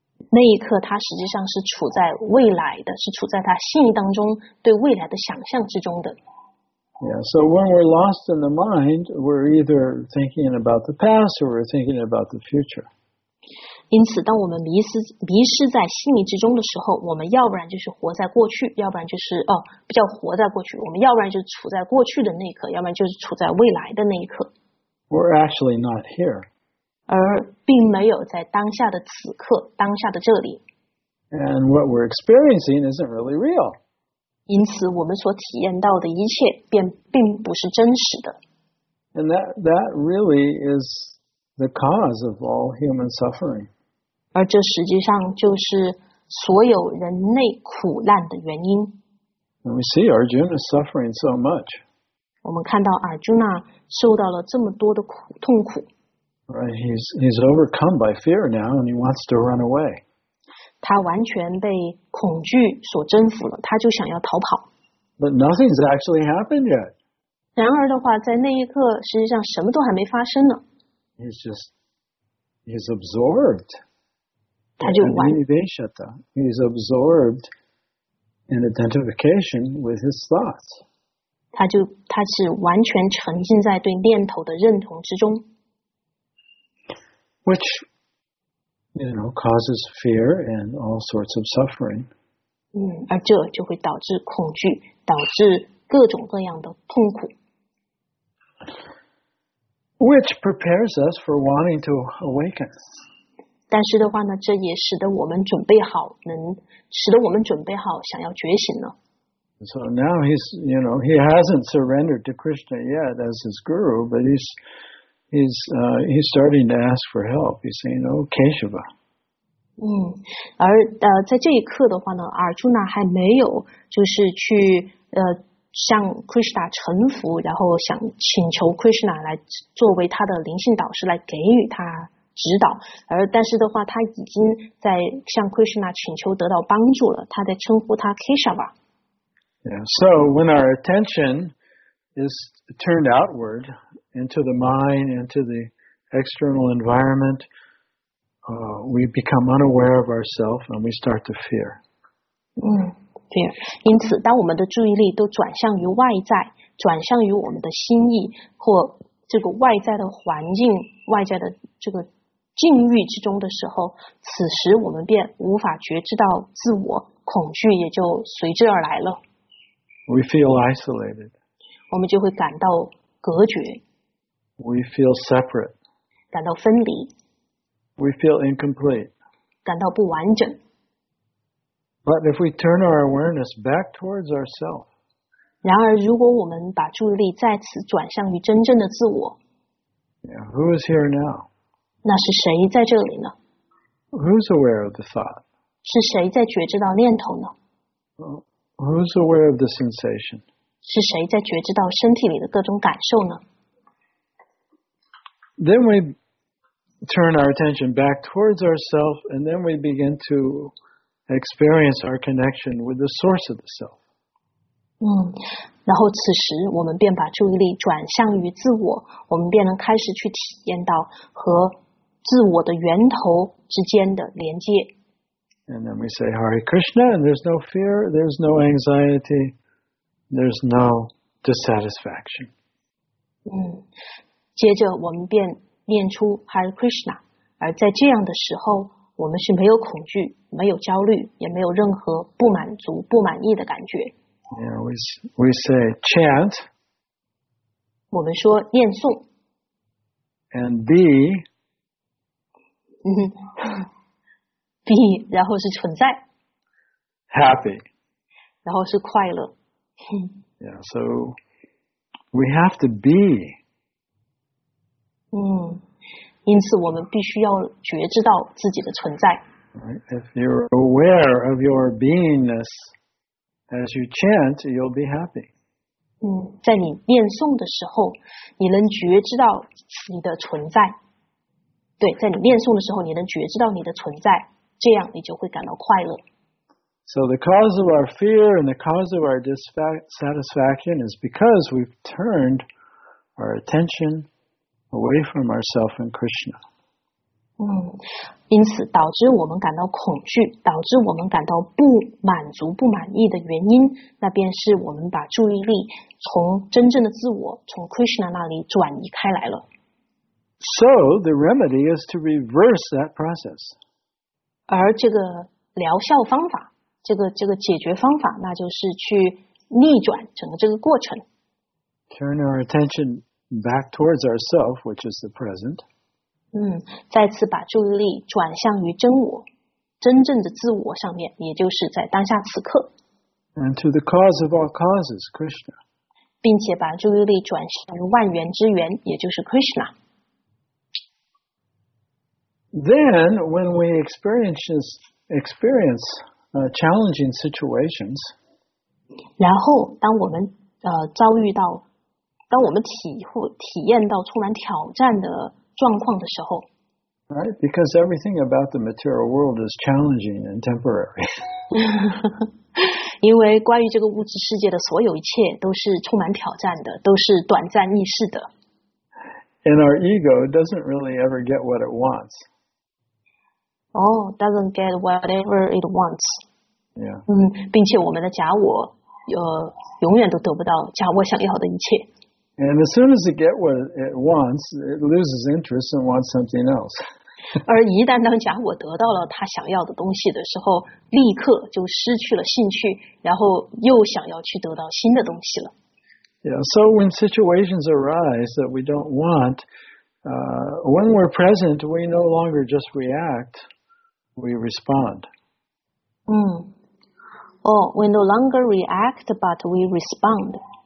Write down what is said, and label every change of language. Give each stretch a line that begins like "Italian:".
Chinese: 那一刻他实际上是处在未来的，是处在他心意当中对未来的想象之中的。
English: Yeah, so when we're lost in the mind, we're either thinking about the past or we're thinking about the future.
Chinese: 因此当我们迷失在心意之中的时候，我们要不然就是活在过去，要不然就是不叫活在过去，我们要不然就是处在过去的那一刻，要不然就是处在未来的那一刻。
English: We're actually not here.
Chinese: 而并没有在当下的此刻，当下的这里。
English: And what we're experiencing isn't really real.
Chinese: 因此，我们所体验到的一切便并不是真实的。
English: And that really is the cause of all human suffering.
Chinese: 而这实际上就是所有人类苦难的原因。
English: And we see Arjuna suffering so much.
Chinese: 我们看到 Arjuna 受到了这么多的痛苦。
English: Right, he's overcome by fear now, and he wants to run away.
Chinese: 他完全被恐惧所征服了，他就想要逃跑。
English: But nothing's actually happened yet.
Chinese: 然而的话，在那一刻，实际上什么都还没发生呢。
English: He's absorbed.
Chinese: 他就完。
English: He's absorbed in identification with his thoughts.
Chinese: 他是完全沉浸在对念头的认同之中。
English: Which, you know, causes fear and all sorts of suffering.
Chinese: 而这就会导致恐惧，导致各种各样的痛苦。
English: Which prepares us for wanting to awaken.
Chinese: 但是的话呢，这也使得我们准备好，使得我们准备好想要觉醒了。
English: So now he's, you know, he hasn't surrendered to Krishna yet as his guru, but he's starting to ask for help. He's saying, "Oh, Keshava."
Chinese: 在这一刻的话呢，阿朱娜还没有就是去向 Krishna 臣服，然后想请求 Krishna 来作为他的灵性导师来给予他指导。而但是的话，他已经在向 Krishna 请求得到帮助了。他在称呼他 Keshava。
English: Yeah. So when our attention is turned outward. Into the mind, into the external environment, we become unaware of ourselves and we start to fear.
Chinese: 对。因此，当我们的注意力都转向于外在，转向于我们的心意或这个外在的环境、外在的这个境遇之中的时候，此时我们便无法觉知到自我，恐惧也就随之而来了。
English: We feel isolated.
Chinese: 我们就会感到隔绝。
English: We feel separate.
Chinese: 感到分离。
English: We feel incomplete.
Chinese: 感到不完整。
English: But if we turn our awareness back towards ourselves,
Chinese: 然而如果我们把注意力再次转向于真正的自我,
English: Who is here now?
Chinese: 那是谁在这里呢?
English: Who's aware of the thought?
Chinese: 是谁在觉知到念头呢?
English: Who's aware of the sensation?
Chinese: 是谁在觉知到身体里的各种感受呢?
English: Then we turn our attention back towards ourselves, and then we begin to experience our connection with the source of the self.
Chinese: 然后此时我们便把注意力转向于自我，我们便能开始去体验到和自我的源头之间的连接。
English: And then we say Hare Krishna, and there's no fear, there's no anxiety, there's no dissatisfaction.
Chinese: 接着我们便念出 Hare Krishna, 而在这样的时候，我们是没有恐惧，没有焦虑，也没有任何不满足、不满意的感觉。
English: Yeah, we say chant.
Chinese: 我们说念诵。
English: And be.
Chinese: Be, 然后是存在。
English: Happy.
Chinese: 然后是快乐。
English: Yeah, so we have to be.
Chinese: 因此我们必须要觉知到自己的存在。
English: If you're aware of your beingness, as you chant, you'll be happy.
Chinese: 在你念诵的时候，你能觉知到你的存在。对，在你念诵的时候，你能觉知到你的存在，这样你就会感到快乐。
English: So the cause of our fear and the cause of our dissatisfaction is because we've turned our attention away from ourselves and Krishna.
Chinese: 因此导致我们感到恐惧，导致我们感到不满足、不满意的原因，那便是我们把注意力从真正的自我，从 Krishna 那里转移开来了。
English: So the remedy is to reverse that process.
Chinese: 而这个疗效方法，这个解决方法，那就是去逆转整个这个过程。
English: Turn our attention. Back towards ourself, which is the present.
Chinese: 再次把注意力转向于真我，真正的自我上面，也就是在当下此刻。
English: And to the cause of all causes, Krishna.
Chinese: 并且把注意力转向于万源之源，也就是 Krishna.
English: Then, when we experience challenging situations,
Chinese: 然后当我们遭遇到当我们体验到充满挑战的状况的时候
English: ，Right, because everything about the material world is challenging and temporary.
Chinese: 因为关于这个物质世界的所有一切都是充满挑战的，都是短暂易逝的。
English: And our ego doesn't really ever get what it wants. Oh, doesn't get whatever it wants. Yeah.
Chinese: 并且我们的假我永远都得不到假我想要的一切。
English: And as soon as it gets what it wants, it loses interest and wants something else.
Chinese: 而一旦当假我得到了他想要的东西的时候，立刻就失去了兴趣，然后又想要去得到新的东西了。
English: Yeah, so when situations arise that we don't want, when we're present, we no longer just react, we respond. Oh, we no longer react, but we respond.